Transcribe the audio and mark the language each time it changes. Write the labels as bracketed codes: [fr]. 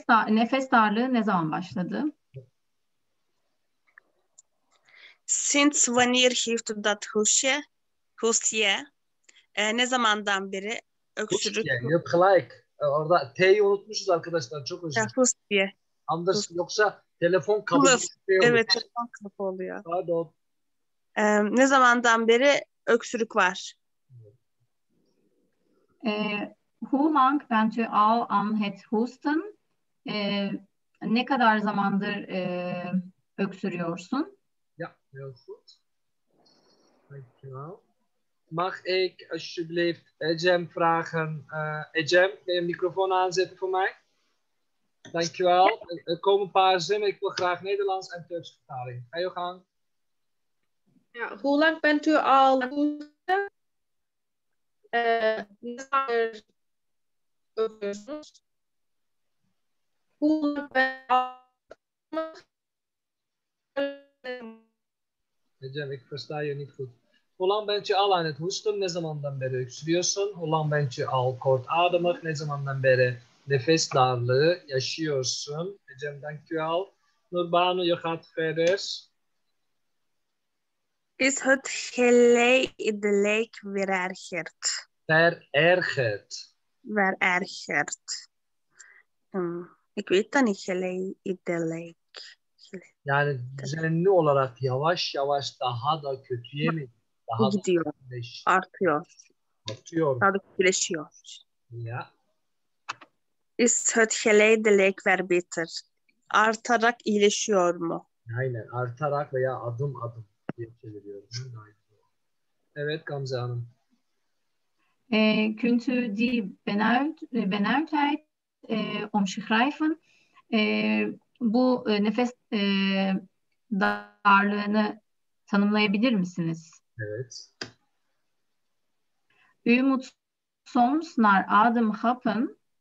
[tr] Nefes darlığı ne zaman başladı? [nl] Since wanneer heeft dat hoesje? [tr] Ne zamandan beri öksürük? Yok, like. Orada T'yi unutmuşuz arkadaşlar. Çok özür dilerim. Hus diye. Anders, yoksa telefon kabı. Evet, telefon kabı oluyor. Pardon. Ne zamandan beri öksürük var? [nl] Hoe lang bent u al aan het hoesten? [tr] Ne kadar zamandır öksürüyorsun? [nl] Ja, heel goed. Dankjewel. Mag ik alsjeblieft Ecem vragen? Ecem, kun je een microfoon aanzetten voor mij? Dankjewel. Ja. Er komen een paar zinnen. Ik wil graag Nederlands en Turks vertaling. Ga je gang. Ja, hoe lang bent u al? Ecem, ik versta je niet goed. Hoe lang bent je al aan het hoesten? [tr] Ne zamandan beri öksürüyorsun? [nl] Hoe lang bent je al kort ademig? [tr] Ne zamandan beri nefes darlığı yaşıyorsun? [nl] Ecem, dankjewel. Nurbanu, je gaat verder. Is het geleidelijk verergerd? Verergerd. Verergerd. Ik weet dat niet, geleidelijk. [tr] Yani düzenli olarak yavaş yavaş daha da kötüye mi? Daha gidiyor. Da artıyor. Artıyor. Daha da kötüleşiyor. [nl] Ja. Is het geleidelijk verbeter? [tr] Artarak iyileşiyor mu? Aynen. Artarak veya adım adım diye çeviriyoruz. Evet Gamze Hanım. [nl] Kunt u die benauwdheid omschrijven? [tr] Bu nefes darlığını tanımlayabilir misiniz? Evet. [nl] U moet soms naar adem happen.